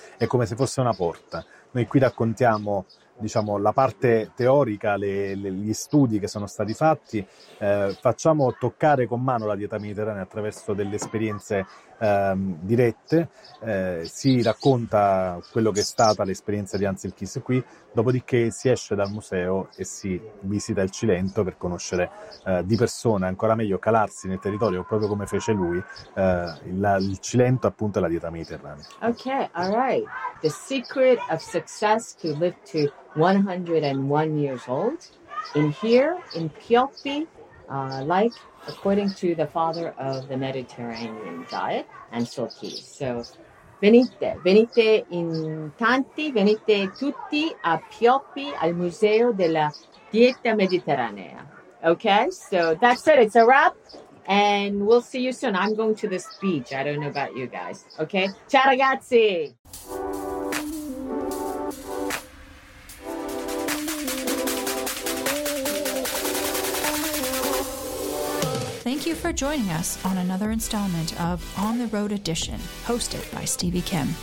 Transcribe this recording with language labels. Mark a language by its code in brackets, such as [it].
[it] È come se fosse una porta. Noi qui raccontiamo, diciamo, la parte teorica, gli studi che sono stati fatti, facciamo toccare con mano la dieta mediterranea attraverso delle esperienze dirette, si racconta quello che è stata l'esperienza di Ansel Keys qui, dopodiché si esce dal museo e si visita il Cilento per conoscere di persona, ancora meglio calarsi nel territorio, proprio come fece lui, il Cilento, appunto, la dieta mediterranea. [en] Ok, all right. The secret of success to live to 101 years old in here in Pioppi, like according to the father of the Mediterranean diet, Ansel Keys. [it] So venite in tanti, venite tutti a Pioppi al Museo della Dieta Mediterranea. [en] Okay, so that's it, it's a wrap, and we'll see you soon. I'm going to this beach, I don't know about you guys. [it] Okay, ciao ragazzi! [en] Thank you for joining us on another installment of On the Road Edition, hosted by Stevie Kim.